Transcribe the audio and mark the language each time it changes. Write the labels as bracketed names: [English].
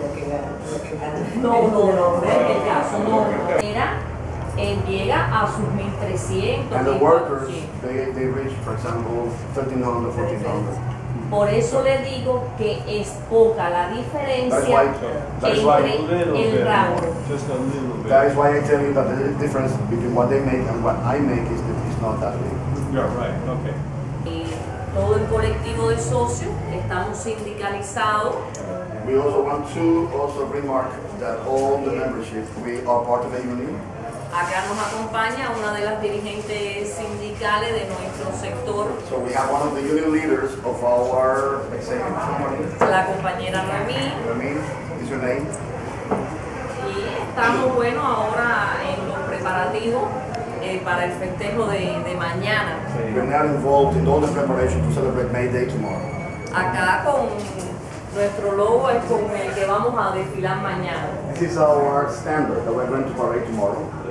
[Spanish] llega a sus 1300. [English] And the workers, they reach, for example, $1,300, $1,400. [Spanish] Por eso le digo que es poca la diferencia [English] That is why I tell you that the difference between what they make and what I make is not that big. You're right, okay. [Spanish] Todo el colectivo de socios estamos sindicalizados. [English] We also want to also remark that all the membership, we are part of a union. [Spanish] Acá nos acompaña una de las dirigentes sindicales de nuestro sector. [English] So we have one of the union leaders of our executive company. [Spanish] La compañera Rami. [English] Rami, is your name? [Spanish] Y estamos bueno ahora en los preparativos para el festejo de mañana. [English] We're now involved in all the preparations to celebrate May Day tomorrow. [Spanish] Acá con nuestro logo es con el que vamos a desfilar mañana. [English] This is our standard that we're going to parade tomorrow.